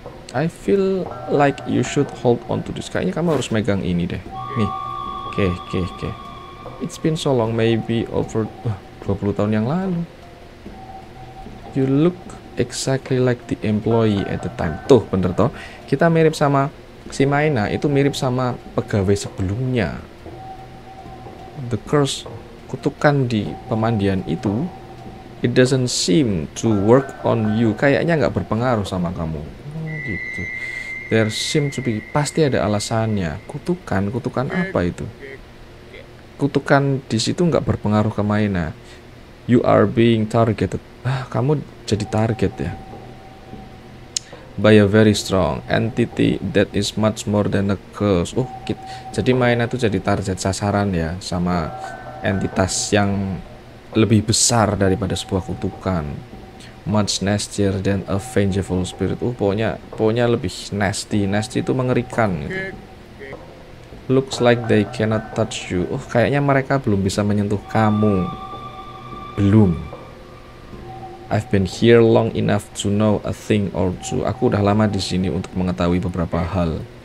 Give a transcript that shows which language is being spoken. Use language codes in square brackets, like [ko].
[en] I feel like you should hold on to this. [id] Kayaknya kamu harus megang ini deh. [en] Nih. Oke. It's been so long, maybe over 20 [id] tahun yang lalu. [en] You look exactly like the employee at the time. [id] Tuh, bener toh. Kita mirip sama si Maina, itu mirip sama pegawai sebelumnya. [en] The curse, [id] kutukan di pemandian itu, [en] it doesn't seem to work on you. [id] Kayaknya nggak berpengaruh sama kamu. Gitu. [en] There seem to be, [id] pasti ada alasannya. Kutukan, kutukan apa itu? Kutukan di situ nggak berpengaruh ke Maina. [en] You are being targeted. [id] Ah, kamu jadi target ya. [en] By a very strong entity that is much more than a curse. [id] Oh, jadi Maina itu jadi target sasaran ya sama entitas yang lebih besar daripada sebuah kutukan. [en] Much nastier than a vengeful spirit. [id] Oh, pokoknya lebih nasty. Nasty itu mengerikan gitu. [en] Looks like they cannot touch you. [id] Oh, kayaknya mereka belum bisa menyentuh kamu. Belum. [en] I've been here long enough to know a thing or two. [id] Aku udah lama di sini untuk mengetahui beberapa hal.